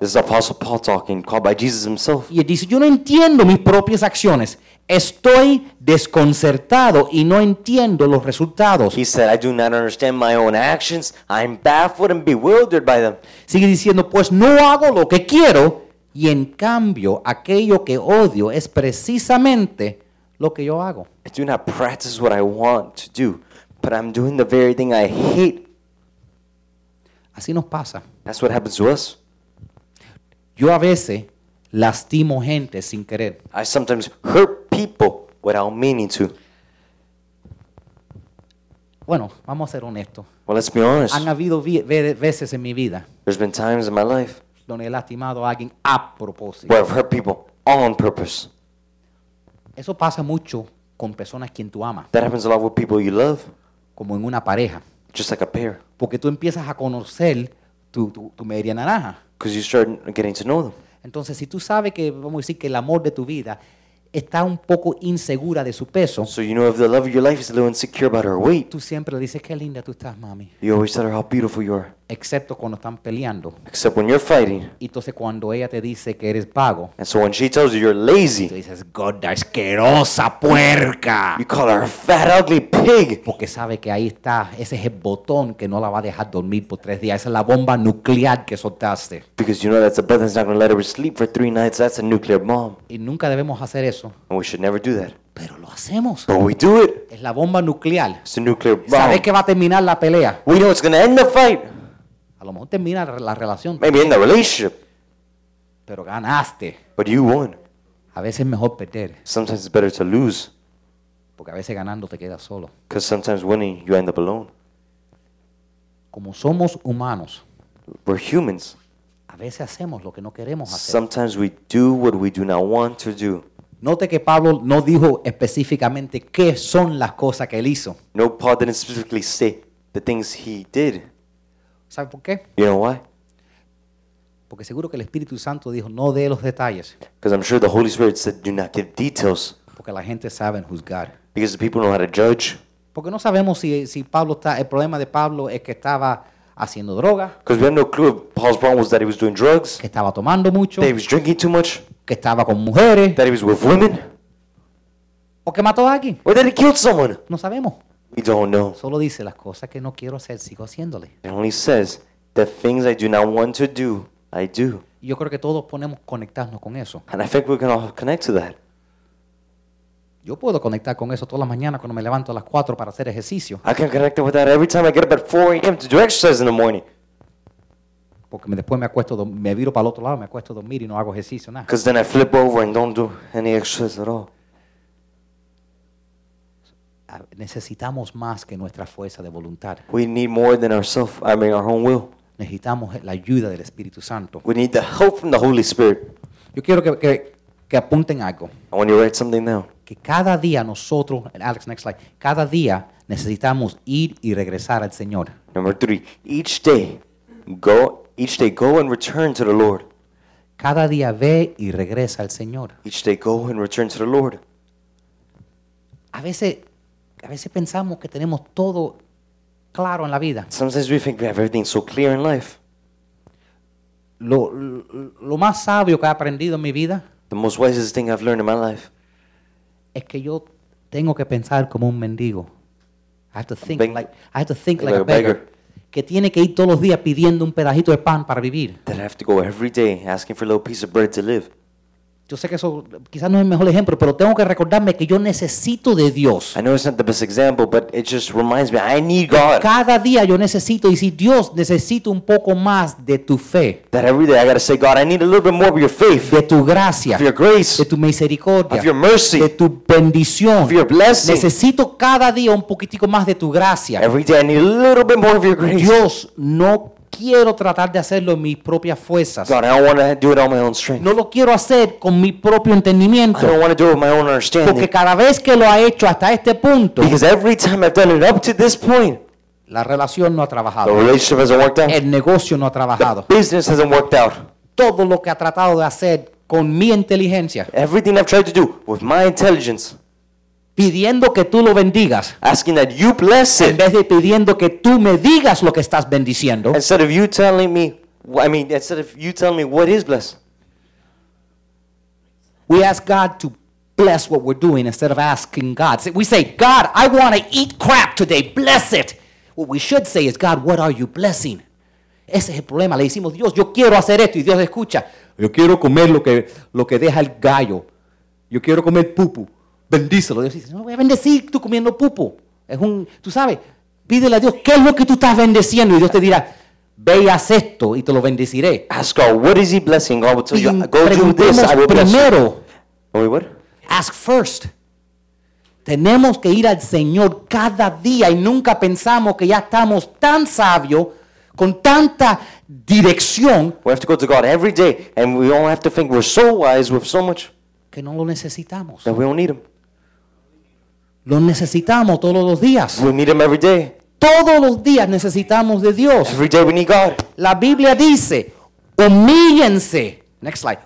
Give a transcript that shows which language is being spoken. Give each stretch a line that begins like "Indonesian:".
English: This is Apostle Paul talking, called by Jesus himself.
Spanish: Y dice, yo no entiendo mis propias acciones. Estoy desconcertado y no entiendo los resultados.
English: He said, I do not understand my own actions. I'm baffled and bewildered by them.
Spanish: Sigue diciendo, pues no hago lo que quiero. Y en cambio, aquello que odio es precisamente lo que yo hago.
English: I do not practice what I want to do, but I'm doing the very thing I hate.
Spanish: Así nos pasa.
English: That's what happens to us.
Spanish: Yo a veces lastimo gente sin querer.
English: I sometimes hurt people without meaning to.
Spanish: Bueno, vamos a ser honestos.
English: Well, let's be honest.
Spanish: Han habido veces en mi vida.
English: There's been times in my life.
Spanish: Donde he lastimado a alguien a propósito.
English: Where I've hurt people on purpose.
Spanish: Eso pasa mucho con personas quien tú amas.
English: That happens a lot with people you love.
Spanish: Como en una pareja.
English: Just like a pair.
Spanish: Porque tú empiezas a conocer tu media naranja.
English: Because you start getting to know them.
Spanish: Entonces, si tú sabes que, vamos a decir, que el amor de tu vida está un poco insegura de su peso.
English: So you know if the love of your life is a little insecure about her weight.
Spanish: Tú siempre le dices, qué linda tú estás, mami.
English: You always tell her how beautiful you are.
Spanish: Excepto cuando están peleando.
English: Except when you're fighting.
Spanish: Y entonces cuando ella te dice que eres vago.
English: And so when she tells you you're lazy.
Spanish: Tú dices, gorda, asquerosa, puerca.
English: You call her a fat, ugly pig.
Spanish: Porque sabe que ahí está, ese es el botón que no la va a dejar dormir por tres días. Esa es la bomba nuclear que soltaste.
English: Because you know that's the button that's not going to let her sleep for three nights. That's a nuclear bomb.
Spanish: Y nunca debemos hacer eso.
English: And we should never do that.
Spanish: Pero lo hacemos.
English: But we do it.
Spanish: Es la bomba nuclear.
English: It's a nuclear bomb.
Spanish: Sabes que va a terminar la pelea.
English: We know it's going to end the fight.
Spanish: A lo mejor termina la relación.
English: Maybe in the relationship.
Spanish: Pero ganaste.
English: But you won.
Spanish: A veces es mejor perder.
English: Sometimes it's better to lose.
Spanish: Porque a veces ganando te quedas solo.
English: Because sometimes winning, you end up alone.
Spanish: Como somos humanos.
English: We're humans.
Spanish: A veces hacemos lo que no queremos hacer.
English: Sometimes we do what we do not want to do.
Spanish: Note que Pablo no dijo específicamente qué son las cosas que él hizo.
English: No, Paul didn't specifically say the things he did.
Spanish: ¿Sabe por qué?
English: You know why?
Spanish: Porque seguro que el Espíritu Santo dijo, no dé los detalles.
English: Because I'm sure the Holy Spirit said, do not give details.
Spanish: Porque la gente sabe juzgar.
English: Because the people know how to judge.
Spanish: Porque no sabemos si Pablo está, el problema de Pablo es que estaba haciendo droga.
English: Because we have no clue if Paul's problem was that he was doing drugs.
Spanish: Que estaba tomando mucho.
English: That he was drinking too much.
Spanish: Que estaba con mujeres.
English: That he was with women.
Spanish: O que mató a alguien.
English: Or that he killed someone.
Spanish: No sabemos.
English: We don't know.
Spanish: Solo dice las cosas que no quiero hacer, sigo haciéndole.
English: It only says, the things I do not want to do, I do.
Spanish: Yo creo que todos podemos conectarnos con eso.
English: And I think we can all connect to that.
Spanish: Yo puedo conectar con eso todas las mañanas cuando me levanto a las 4 para hacer ejercicio.
English: I can connect with that every time I get up at 4 a.m. to do exercise in the morning.
Spanish: Porque después me acuesto, me viro para el otro lado, me acuesto a dormir y no hago ejercicio nada.
English: Because then I flip over and don't do any exercise at all.
Spanish: Necesitamos más que nuestra fuerza de voluntad.
English: We need more than ourselves, I mean our own will.
Spanish: Necesitamos la ayuda del Espíritu Santo.
English: We need the help from the Holy Spirit.
Spanish: Yo quiero que apunten algo.
English: I want you to write something down.
Spanish: Que cada día nosotros, Alex,
English: next slide.
Spanish: Cada día necesitamos ir y regresar al Señor.
English: Number three, each day go and return to the Lord.
Spanish: Cada día ve y regresa al Señor.
English: Each day go and return to the Lord.
Spanish: A veces pensamos que tenemos todo claro en la vida.
English: Sometimes we think we have everything so clear in life.
Spanish: Lo más sabio que he aprendido en mi vida.
English: The most wisest thing I've learned in my life.
Spanish: Es que yo tengo que pensar como un mendigo.
English: I have to think like a beggar.
Spanish: Que tiene que ir todos los días pidiendo un pedajito de pan para vivir.
English: That I have to go every day asking for a little piece of bread to live.
Spanish: Yo sé que eso quizás no es el mejor ejemplo, pero tengo que recordarme que yo necesito de Dios.
English: I know it's not the best example, but it just reminds me, I need God.
Spanish: Cada día yo necesito, y si Dios, necesito un poco más de tu fe.
English: That every day I got to say, God, I need a little bit more of your faith.
Spanish: De tu gracia.
English: Of your grace.
Spanish: De tu misericordia.
English: Of your mercy.
Spanish: De tu bendición.
English: Of your blessing.
Spanish: Necesito cada día un poquitico más de tu gracia.
English: Every day I need a little bit more of your grace.
Spanish: Dios no quiero tratar de hacerlo en mis propias fuerzas.
English: God, I don't want to do it on my own strength.
Spanish: No lo quiero hacer con mi propio entendimiento.
English: I don't want to do it with my own understanding.
Spanish: Porque cada vez que lo ha hecho hasta este punto.
English: Because every time I've done it up to this point.
Spanish: La relación no ha trabajado.
English: The relationship hasn't worked out.
Spanish: El negocio no ha trabajado.
English: The business hasn't worked out.
Spanish: Todo lo que ha tratado de hacer con mi inteligencia.
English: Everything I've tried to do with my intelligence.
Spanish: Pidiendo que tú lo bendigas.
English: Asking that you bless it.
Spanish: En vez de pidiendo que tú me digas lo que estás bendiciendo.
English: Instead of you telling me, I mean, instead of you telling me what is blessed. We ask God to bless what we're doing instead of asking God. We say, God, I want to eat crap today. Bless it. What we should say is, God, what are you blessing?
Spanish: Ese es el problema. Le decimos, Dios, yo quiero hacer esto. Y Dios escucha. Yo quiero comer lo que deja el gallo. Yo quiero comer pupu. Bendícelo. Dios dice, no voy a bendecir tú comiendo pupo. Tú sabes, pídele a Dios, ¿qué es lo que tú estás bendeciendo? Y Dios te dirá, ve y haz esto y te lo bendeciré.
English: Ask God, what is he blessing? God will tell you, go do this, I will
Spanish: primero,
English: bless you. Wait, what? Ask first.
Spanish: Tenemos que ir al Señor cada día y nunca pensamos que ya estamos tan sabios, con tanta dirección.
English: We have to go to God every day and we don't have to think we're so wise with so much.
Spanish: Que no lo necesitamos.
English: That we don't need him.
Spanish: Lo necesitamos todos los días.
English: We need him every day.
Spanish: Todos los días necesitamos de Dios.
English: Every day we need God.
Spanish: La Biblia dice, humíllense.
English: Next slide.